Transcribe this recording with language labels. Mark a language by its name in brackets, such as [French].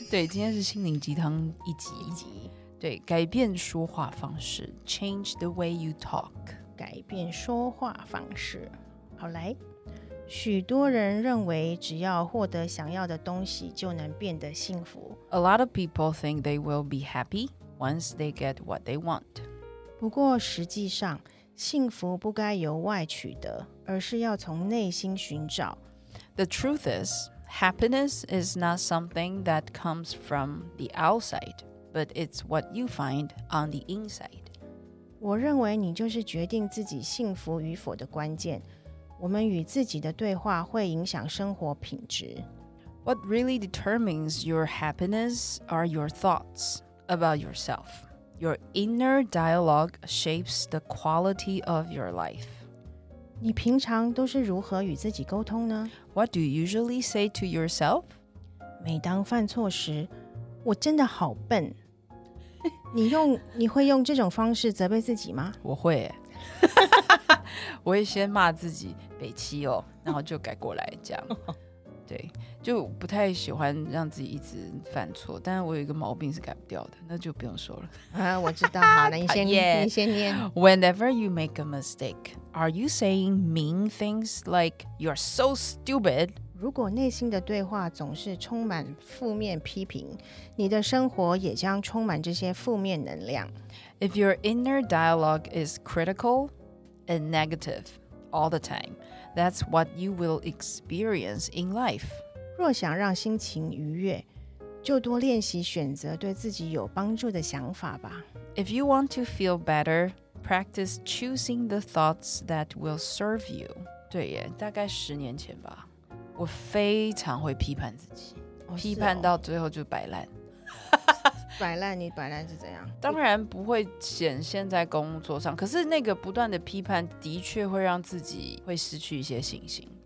[Chinese] 对，今天是心灵鸡汤一集一集。对，改变说话方式， [English] Change the way you talk， [Chinese] 改变说话方式。好，来，许多人认为只要获得想要的东西就能变得幸福。 [English] A lot of people think they will be happy once they get what they want。 [Chinese] 不过实际上幸福不该由外取得，而是要从内心寻找。 [English] The truth is, happiness is not something that comes from the outside, but it's what you find on the inside. [Chinese] 我认为你就是决定自己幸福与否的关键。我们与自己的对话会影响生活品质。 [English] What really determines your happiness are your thoughts about yourself. Your inner dialogue shapes the quality of your life. [Chinese] 你平常都是如何与自己沟通呢？ [English] What do you usually say to yourself? [Chinese] 每当犯错时，我真的好笨。你会用这种方式责备自己吗？我会耶。我会先骂自己，北七哦，然后就改过来这样。对，就不太喜欢让自己一直犯错，但我有一个毛病是改不掉的，那就不用说了。我知道，好，那你先念。 [English] Whenever you make a mistake, are you saying mean things like you're so stupid? [Chinese] 如果内心的对话总是充满负面批评，你的生活也将充满这些负面能量。 [English] If your inner dialogue is critical and negative all the time,That's what you will experience in life. [Chinese] 若想让心情愉悦，就多练习选择对自己有帮助的想法吧。 [English] If you want to feel better, practice choosing the thoughts that will serve you. [Chinese] 对耶，大概十年前吧，我非常会批判自己，批判到最后就摆烂。摆烂，你摆烂是怎样？当然不会显现在工作上，可是那个不断的批判的确会让自己会失去一些信心。